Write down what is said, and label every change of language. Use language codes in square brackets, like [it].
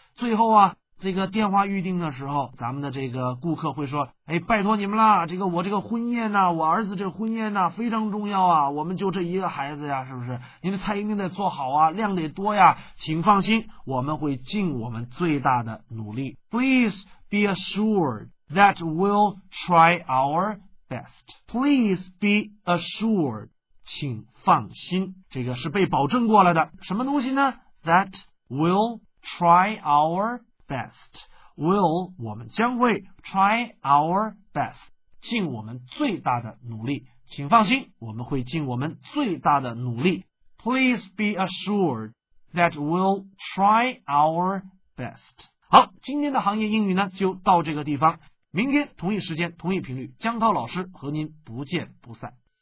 [zh] 最后啊，这个电话预定的时候，咱们的这个顾客会说，哎，拜托你们啦，这个我这个婚宴呢，我儿子这婚宴呢非常重要啊，我们就这一个孩子呀，是不是？你们菜一定得做好啊，量得多呀，请放心，我们会尽我们最大的努力。 [en] Please be assured that we'll try our best. Please be assured. [zh] 请放心，这个是被保证过来的。什么东西呢？ [en] That we'll try our best. We'll [zh] 我们将会 [en] try our best. [zh] 尽我们最大的努力。请放心，我们会尽我们最大的努力。 [en] Please be assured that we'll try our best. [zh] 好，今天的行业英语呢就到这个地方。明天同一时间同一频率，江涛老师和您不见不散。